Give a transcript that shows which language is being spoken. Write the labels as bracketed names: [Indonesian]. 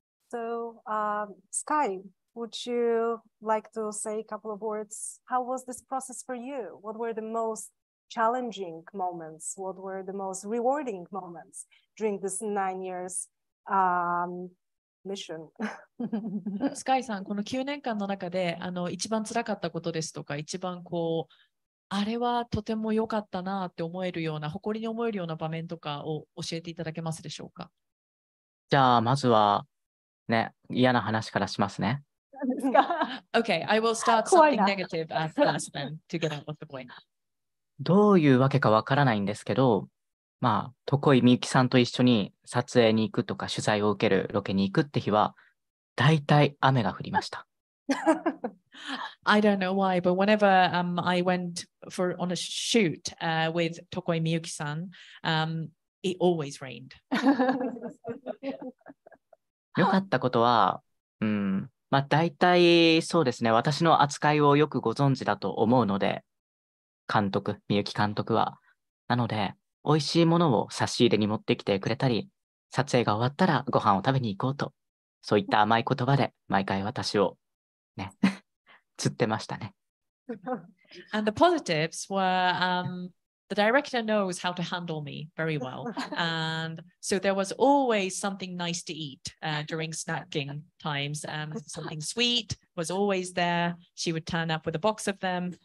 [English] So, Sky, would you like to say a couple of words? How was this process for you? What were the most challenging moments, what were the most rewarding moments during this 9 years mission? [Japanese] Sky さん、この9年間の中で一番辛かったことですとか、一番こうあれはとても良かったなって思えるような、誇りに思えるような場面とかを教えていただけますでしょうか。じゃあまずはね、嫌な話からしますね。 [English] Okay, I will start something negative at first then to get out of the point. [Japanese] どういうわけかわからないんですけど、まあ、とこいみゆきさんと一緒に撮影に行くとか取材を受けるロケに行くって日は、だいたい雨が降りました。 [English] I don't know why, but whenever I went for on a shoot with Tokoi Miyuki さん, it always rained. [Japanese] よかったことは、まあ、だいたいそうですね、私の扱いをよくご存知だと思うので、監督、みゆき監督は。なので、おいしいものを差し入れに持ってきてくれたり、撮影が終わったらご飯を食べに行こうと、そういった甘い言葉で毎回私をね、釣ってましたね。 [English] And the positives were, the director knows how to handle me very well. And so there was always something nice to eat during snacking times. Something sweet was always there. She would turn up with a box of them.